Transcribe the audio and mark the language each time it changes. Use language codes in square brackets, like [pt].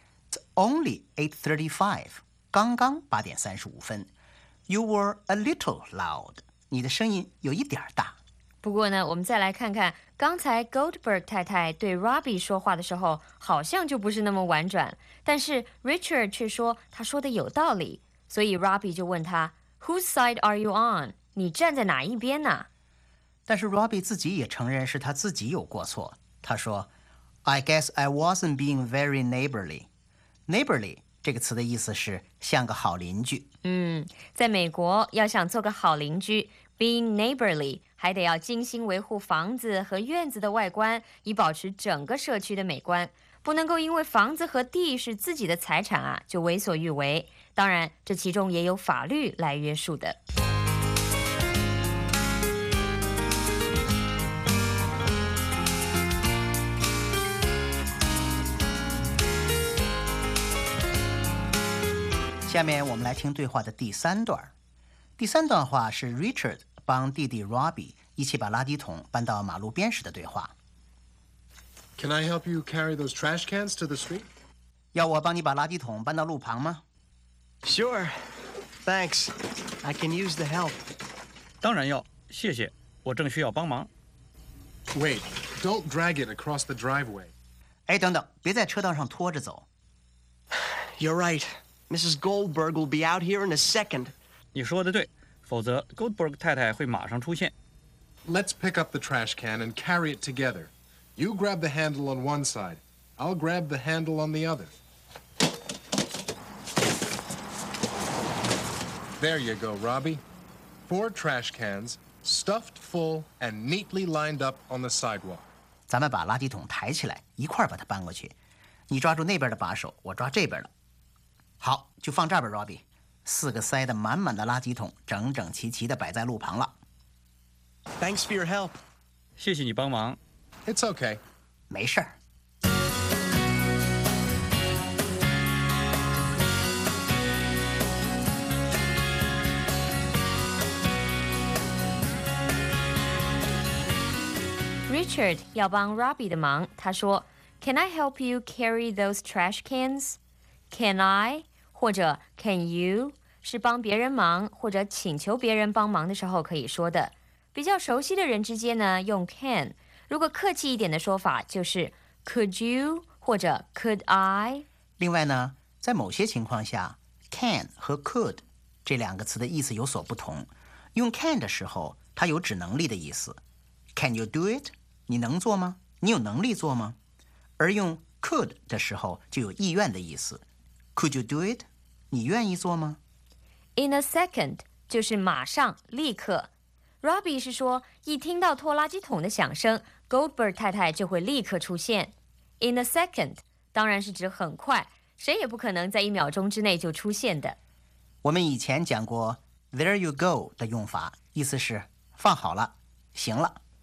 [en] It's only 8:35， [zh] 刚刚8:35。 [en] You were a little loud， [zh] 你的声音有一点大。不过呢，我们再来看看刚才 Goldberg 太太对 Robbie 说话的时候好像就不是那么婉转，但是 Richard 却说他说的有道理，所以 Robbie 就问他 [en] Whose side are you on？ [zh] 你站在哪一边呢？但是 Robbie 自己也承认是他自己有过错。他说 [en] I guess I wasn't being very neighborly. [zh] Neighborly 这个词的意思是像个好邻居。嗯，在美国要想做个好邻居， [en] being neighborly [zh] 还得要精心维护房子和院子的外观，以保持整个社区的美观。不能够因为房子和地是自己的财产啊，就为所欲为。当然，这其中也有法律来约束的。下面我们来听对话的第三段。第三段话是 Richard 帮弟弟 Robbie 一起把垃圾桶搬到马路边时的对话。 [en] Can I help you carry those trash cans to the street? [zh] 要我帮你把垃圾桶搬到路旁吗？ [en] Sure. Thanks. I can use the help. [zh] 当然要，谢谢，我正需要帮忙。 [en] Wait, don't drag it across the driveway. [zh] 哎，等等，别在车道上拖着走。 [en] You're right. Mrs. Goldberg will be out here in a second. [zh] 你说的对，否则 Goldberg 太太会马上出现。 [en] Let's pick up the trash can and carry it together. You grab the handle on one side. I'll grab the handle on the other. There you go, Robbie. 4 trash cans, stuffed full and neatly lined up on the sidewalk. [zh] 咱们把垃圾桶抬起来，一块把它搬过去。你抓住那边的把手，我抓这边的。好，就放这儿吧 ，Robbie。四个塞得满满的垃圾桶，整整齐齐地摆在路旁了。 [en] Thanks for your help。 [zh] 谢谢你帮忙。 [en] It's okay。 [zh] 没事儿。 Richard 要帮 Robbie 的忙，他说 ： [en] “Can I help you carry those trash cans? Can I?” [zh] 或者 can you 是帮别人忙或者请求别人帮忙的时候可以说的。比较熟悉的人之间呢，用 can。如果客气一点的说法就是 could you 或者 could I。另外呢，在某些情况下 can 和 could 这两个词的意思有所不同。用 can 的时候，它有指能力的意思。 [en] Can you do it？ [zh] 你能做吗？你有能力做吗？而用 could 的时候，就有意愿的意思。 [en] Could you do it? [zh] 你愿意做吗？ [en] In a second, [zh] 就是马上、立刻。 Robbie 是说，一听到拖垃圾桶的响声， Goldberg 太太就会立刻出现。 [en] In a second, [zh] 当然是指很快，谁也不可能在一秒钟之内就出现的。我们以前讲过 [en] there you go [zh] 的用法，意思是放好了，行了。